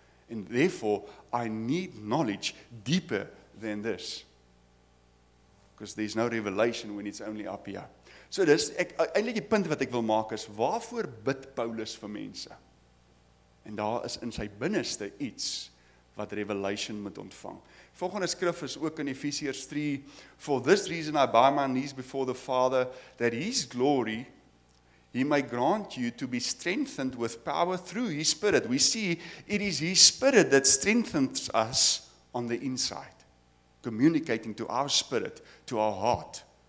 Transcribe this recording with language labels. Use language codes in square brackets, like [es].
[en] And therefore, I need knowledge deeper than this. Because there's no revelation when it's only up here. [af] So dis, eintlik die punt wat ek wil maak is, waarvoor bid Paulus vir mense? En daar is in sy binneste iets wat revelation moet ontvang. Volgende skrif is ook in Efesiërs 3, [en] for this reason I bow my knees before the Father, that his glory, he may grant you to be strengthened with power through his spirit. We see it is his spirit that strengthens us on the inside, communicating to our spirit, to our heart.